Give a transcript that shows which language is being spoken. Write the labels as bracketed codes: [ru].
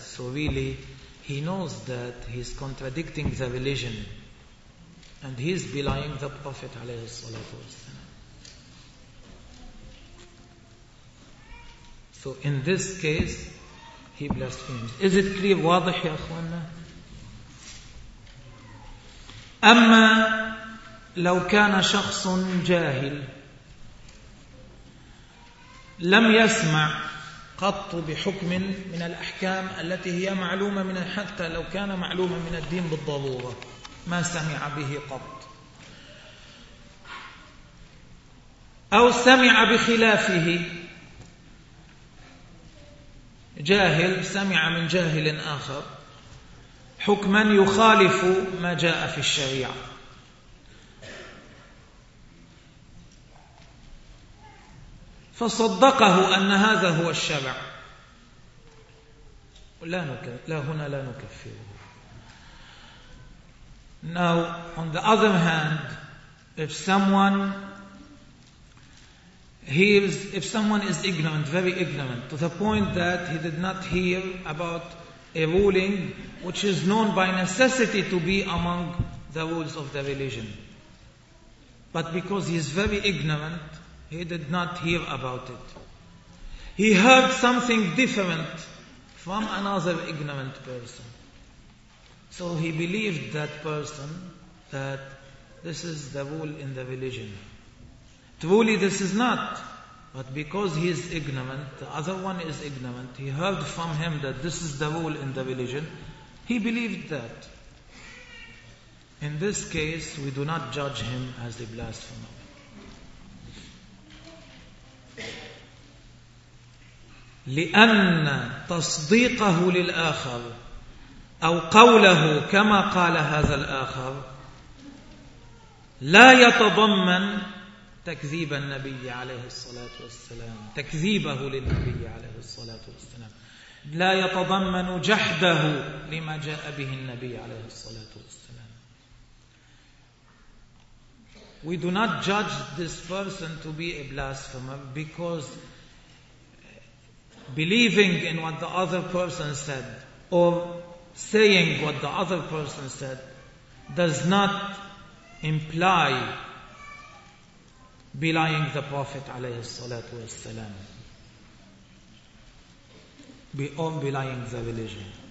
[en] So really, he knows that he's contradicting the religion and he's belying the Prophet alayhi salatu wasalam. So in this case, he blasphemes. Is it clear? [ar] واضح يا أخوانا؟ أما لو كان شخص جاهل لم يسمع قط بحكم من الأحكام التي هي معلومة من، حتى لو كان معلومة من الدين بالضرورة ما سمع به قط، أو سمع بخلافه، جاهل سمع من جاهل آخر حكما يخالف ما جاء في الشريعة، فصدقه أن هذا هو الشرع، لا هنا لا نكفره. [en] Now on the other hand, if someone is ignorant, very ignorant, to the point that he did not hear about a ruling which is known by necessity to be among the rules of the religion, but because he is very ignorant, he did not hear about it. He heard something different from another ignorant person. So he believed that person that this is the rule in the religion. Truly this is not, but because he is ignorant, the other one is ignorant, he heard from him that this is the rule in the religion, he believed that. In this case, we do not judge him as a blasphemer. [ar] لأن تصديقه للآخر أو قوله كما قال هذا الآخر لا يتضمن تكذيب النبي عليه الصلاة والسلام، تكذيبه للنبي عليه الصلاة والسلام لا يتضمن جحده لما جاء به النبي عليه الصلاة والسلام. [en] We do not judge this person to be a blasphemer because believing in what the other person said or saying what the other person said does not imply belying the Prophet [ar] عليه الصلاة والسلام [en] or belying the religion.